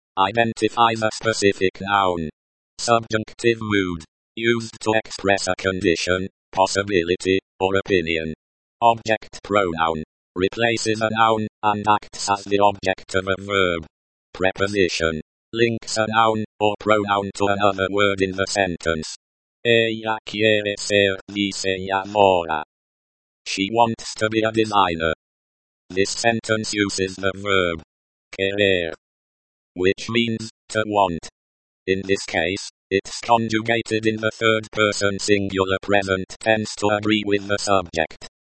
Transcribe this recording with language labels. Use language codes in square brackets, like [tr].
[en] Identifies a specific noun. Subjunctive mood, used to express a condition, possibility, or opinion. Object pronoun, replaces a noun, and acts as the object of a verb. Preposition, links a noun, or pronoun to another word in the sentence. [es] Ella quiere ser diseñadora. [en] She wants to be a designer. This sentence uses the verb querer, which means to want. In this case, it's conjugated in the third person singular present tense to agree with the subject.